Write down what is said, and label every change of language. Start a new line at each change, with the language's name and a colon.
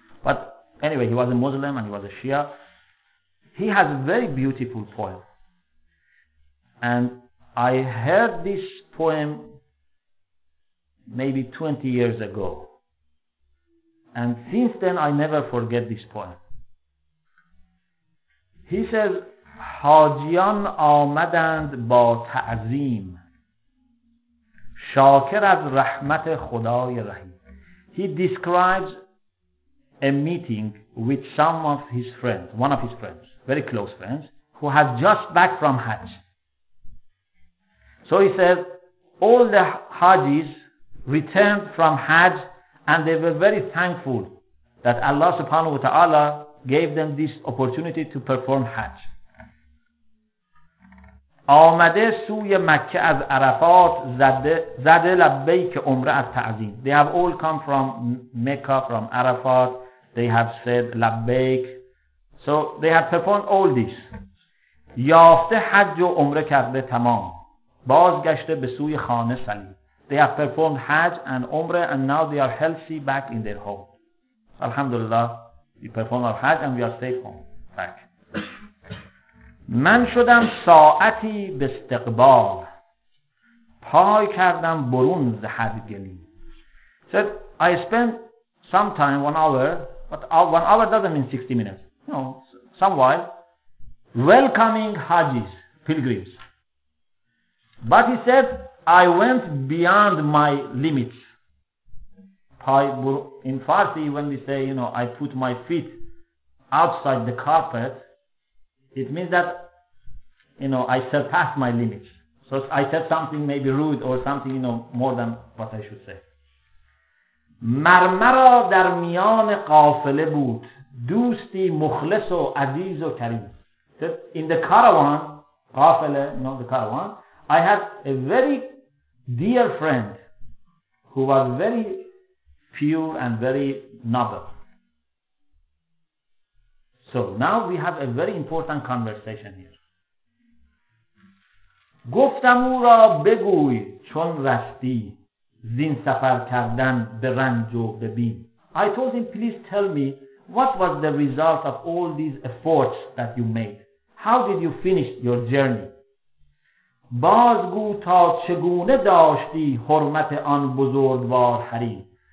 English: But anyway, he was a Muslim and he was a Shia. He has a very beautiful poem. And I heard this poem maybe 20 years ago. And since then, I never forget this poem.
Persian: He says, حاجیان آمدند با تعظیم شاکر از رحمت خدای رحیم.
English: He describes a meeting with some of his friends, one of his friends, very close friends, who had just back from Hajj. So he says, all the Hajis returned from Hajj and they were very thankful that Allah subhanahu wa ta'ala gave them this opportunity to perform Hajj.
Persian: آمده سوی مکه از عرفات زده لبیک عمره از تعظیم.
English: They have all come from Mecca, from Arafat. They have said لبیک. So they have performed all this.
Persian: یافته حج و عمره کرده تمام. بازگشته به سوی خانه سلیم.
English: They have performed حج and عمره and now they are healthy back in their home. Alhamdulillah, we performed our حج and we are safe home. Back.
Persian: من شدم ساعتی به استقبال پای کردم برون زهد گلی.
English: Said, I spent some time, 1 hour, but 1 hour doesn't mean 60 minutes. No, some while. Welcoming Hajis, pilgrims. But he said, I went beyond my limits. In Farsi, when we say, you know, I put my feet outside the carpet, it means that, you know, I surpassed my limits. So I said something maybe rude or something, you know, more than what I should say.
Persian: مرمرا در میان قافله بود دوستی مخلص و عزیز و کریم.
English: In the caravan, قافله, no, the caravan, I had a very dear friend who was very pure and very noble. So now we have a very important conversation here.
Persian: گفتم او را بگوی چون رستی زین سفر کردن به رنج و به بیم.
English: I told him, please tell me, what was the result of all these efforts that you made? How did you finish your journey?
Persian: بازگو تا چگونه داشتی حرمت آن بزرگوار حریم.